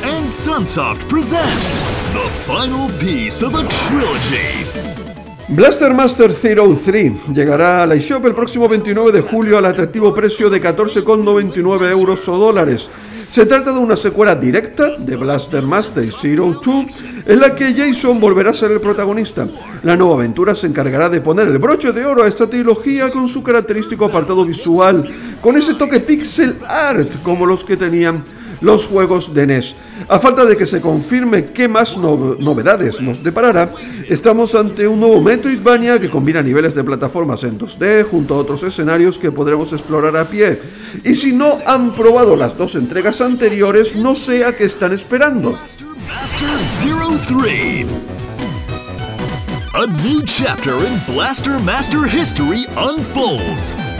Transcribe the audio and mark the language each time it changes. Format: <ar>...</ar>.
<en>Sunsoft present the final piece of a trilogy.</en> <es>Blaster Master Zero 3 llegará a la eShop el próximo 29 de julio al atractivo precio de 14,99€ o dólares. Se trata de una secuela directa de Blaster Master Zero 2, en la que Jason volverá a ser el protagonista. La nueva aventura se encargará de poner el broche de oro a esta trilogía con su característico apartado visual, con ese toque pixel art como los que tenían los juegos de NES. A falta de que se confirme qué más novedades nos deparará, estamos ante un nuevo Metroidvania que combina niveles de plataformas en 2D junto a otros escenarios que podremos explorar a pie. Y si no han probado las dos entregas anteriores, no sé a qué están esperando. Blaster Zero 3.</es> <en>A new chapter in Blaster Master history unfolds.</en>